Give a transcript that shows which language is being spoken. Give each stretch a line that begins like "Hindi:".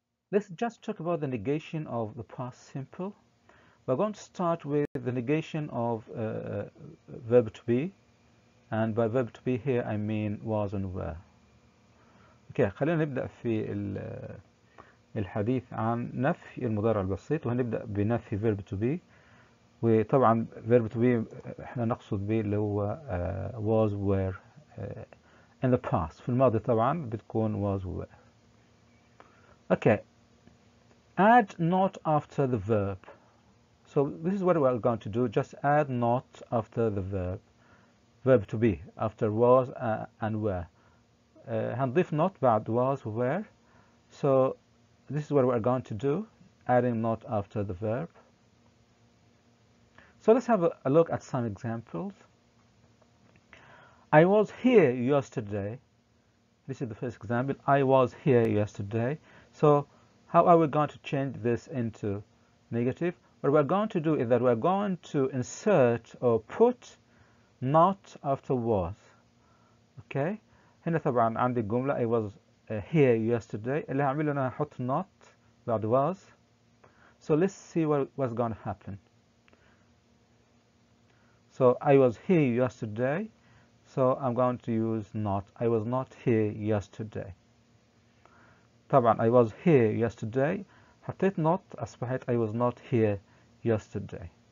English: Let's just talk about the negation of the past simple. We're going to start with the negation of verb to be. And by verb to be here, I mean was and were.
Arabic: Okay, خلينا نبدأ في الحديث عن نفي المضارع البسيط. وهنبدأ بنفي verb to be. وطبعا verb to be احنا نقصد به اللي هو was, were in the past. في الماضي طبعا بتكون was, were.
English: Okay. Add not after the verb. So this is what we are going to do. Just add not after the verb. Verb to be after was and were.
Arabic: هنضيف
English: not بعد was were. So this is what we are going to do. Adding not after the verb. So let's have a look at some examples. I was here yesterday. This is the first example. I was here yesterday. So how are we going to change this into negative? What we're going to do is that we're going to insert or put not after was. Okay?
Arabic: هنا طبعا عندي جملة
English: I was here yesterday.
Arabic: اللي هعمله انا هحط not بعد was.
English: So let's see what's going to happen. So I was here yesterday. So I'm going to use not. I was not here yesterday. طبعا I was here yesterday
Arabic: حطيت not أصبحت
English: I was not here yesterday.